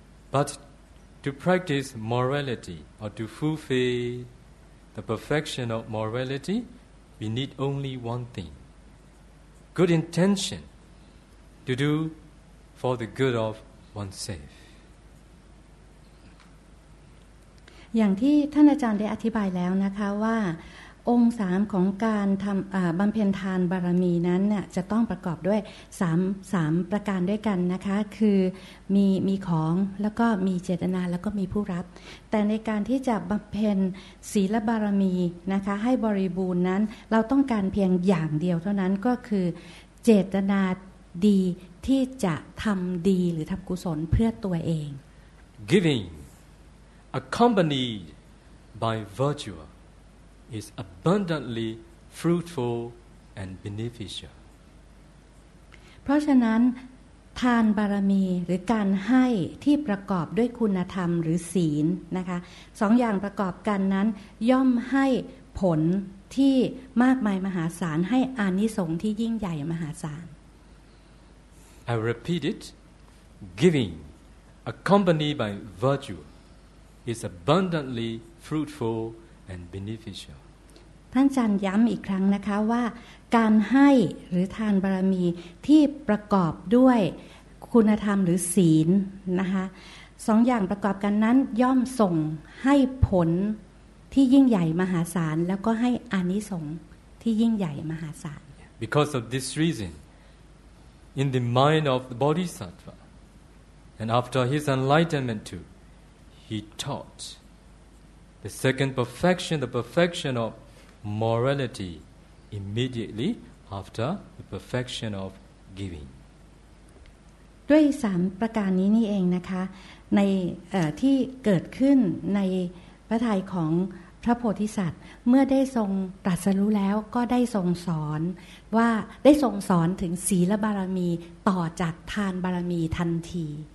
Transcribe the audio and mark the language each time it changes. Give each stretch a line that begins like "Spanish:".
English: But to practice morality, or to fulfill the perfection of morality, we need only one thing, good intention to do for the good of oneself.
Thai: อย่างที่ท่านอาจารย์ได้อธิบายแล้วนะคะว่าองค์สามของการทำบำเพ็ญทานบารมีนั้นจะต้องประกอบด้วยสามประการด้วยกันนะคะคือมีของแล้วก็มีเจตนาแล้วก็มีผู้รับแต่ในการที่จะบำเพ็ญศีลบารมีนะคะให้บริบูรณ์นั้นเราต้องการเพียงอย่างเดียวเท่านั้นก็คือเจตนาดีที่จะทำดีหรือทำกุศลเพื่อตัวเอง
English: givingaccompanied by virtue is abundantly fruitful and beneficial
Thai: เพราะฉะนั้นทานบารมีหรือการให้ที่ประกอบด้วยคุณธรรมหรือศีลนะคะสองอย่างประกอบกันนั้นย่อมให้ผลที่มากมายมหาศาลให้อานิสงส์ที่ยิ่งใหญ่มหาศาล
English: I repeat it giving accompanied by virtueis abundantly fruitful and beneficial
Thai: ท่านอาจารย์ย้ำอีกครั้งนะคะว่าการให้หรือทานบารมีที่ประกอบด้วยคุณธรรมหรือศีลนะคะสองอย่างประกอบกันนั้นย่อมส่งให้ผลที่ยิ่งใหญ่มหาศาลแล้วก็ให้อานิสงส์ที่ยิ่งใหญ่มหาศาล
English: Because of this reason in the mind of the Bodhisattva and after his enlightenment tooHe taught the second perfection, the perfection of morality, immediately after the perfection of giving.
Thai: ด้วยสามประการนี้นี่เองนะคะในที่เกิดขึ้นในพระทัยของพระโพธิสัตว์เมื่อได้ทรงตรัสรู้แล้วก็ได้ทรงสอนว่าได้ทรงสอนถึงศีลบารมีต่อจากทานบารมีทันที